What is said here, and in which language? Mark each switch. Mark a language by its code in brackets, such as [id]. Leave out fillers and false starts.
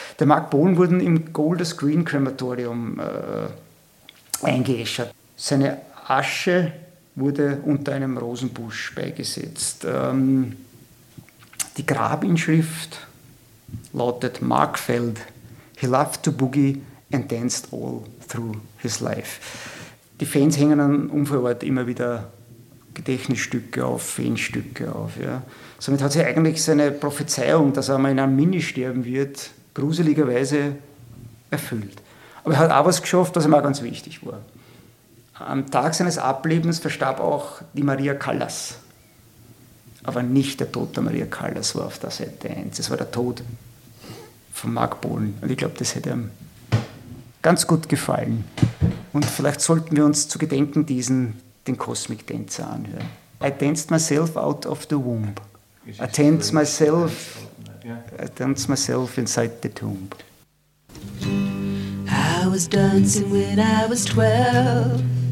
[de] Der Marc Bohlen wurde im Golders Green Crematorium eingeäschert. Seine Asche wurde unter einem Rosenbusch beigesetzt. Die Grabinschrift lautet Marc Feld. [en] He loved to boogie and danced all through his life. [de] Die Fans hängen an Unfallort immer wieder Gedächtnisstücke auf, Fanstücke auf. Ja. Somit hat sich eigentlich seine Prophezeiung, dass er mal in einem Mini sterben wird, gruseligerweise erfüllt. Aber er hat auch was geschafft, was ihm auch ganz wichtig war. Am Tag seines Ablebens verstarb auch die Maria Callas. Aber nicht der Tod der Maria Callas war auf der Seite 1. Es war der Tod von Marc Bohlen. Und ich glaube, das hätte ihm ganz gut gefallen. Und vielleicht sollten wir uns zu Gedenken diesen den Cosmic Dancer anhören. [en] I danced myself out of the womb. I danced myself inside the tomb. I was dancing when I was 12.